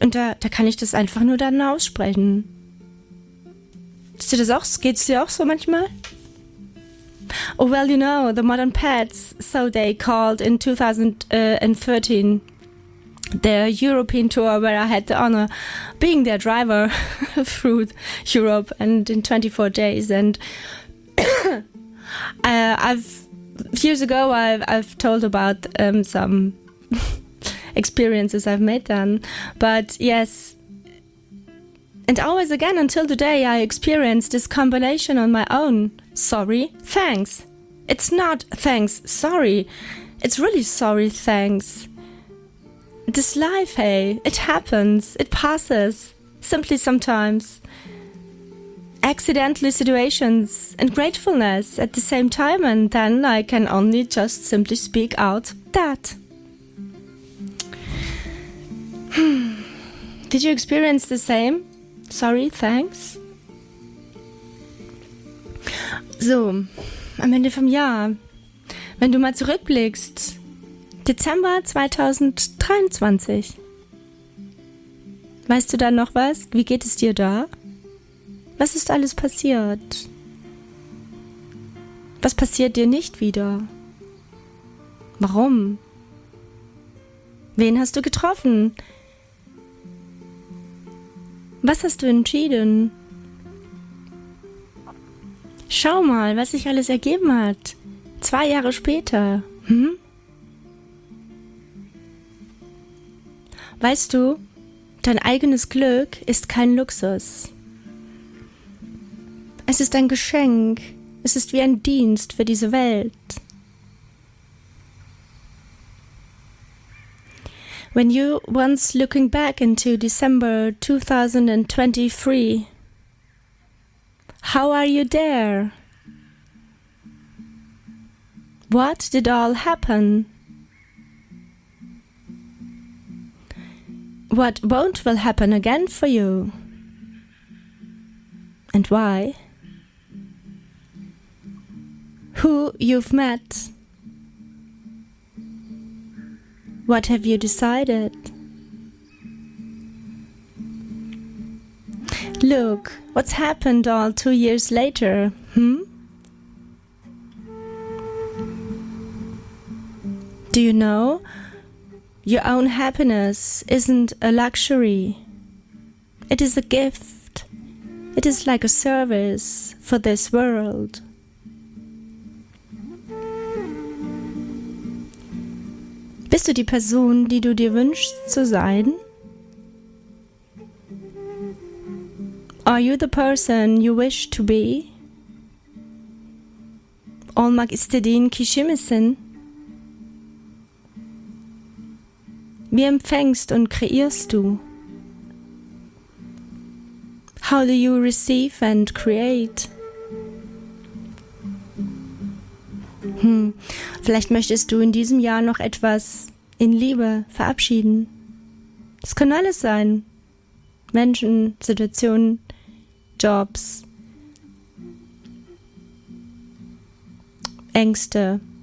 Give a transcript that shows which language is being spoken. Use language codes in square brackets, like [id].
[de] Und da kann ich das einfach nur dann aussprechen. Geht es dir auch so manchmal? [en] Oh, well, you know, the Modern Pads, so they called in 2013. The European tour where I had the honor being their driver through Europe and in 24 days. And years ago I've told about some experiences I've made then. But yes, and always again until today I experienced this combination on my own. Sorry, thanks. It's not thanks, sorry. It's really sorry, thanks. This life, hey, it happens, it passes, simply sometimes. Accidentally situations and gratefulness at the same time, and then I can only just simply speak out that. Did you experience the same? Sorry, thanks. [de] So, am Ende vom Jahr, wenn du mal zurückblickst, Dezember 2023, weißt du da noch was? Wie geht es dir da? Was ist alles passiert? Was passiert dir nicht wieder? Warum? Wen hast du getroffen? Was hast du entschieden? Schau mal, was sich alles ergeben hat. 2 Jahre später. Weißt du, dein eigenes Glück ist kein Luxus. Es ist ein Geschenk. Es ist wie ein Dienst für diese Welt. [en] When you once looking back into December 2023, how are you there? What did all happen? What won't will happen again for you? And why? Who you've met? What have you decided? Look, what's happened all 2 years later, Do you know? Your own happiness isn't a luxury. It is a gift. It is like a service for this world. [de] Bist du die Person, die du dir wünschst zu sein? [en] Are you the person you wish to be? [tr] Olmak istediğin kişi misin? [de] Wie empfängst und kreierst du? [en] How do you receive and create? [de] Vielleicht möchtest du in diesem Jahr noch etwas in Liebe verabschieden. Das kann alles sein. Menschen, Situationen, Jobs, Ängste.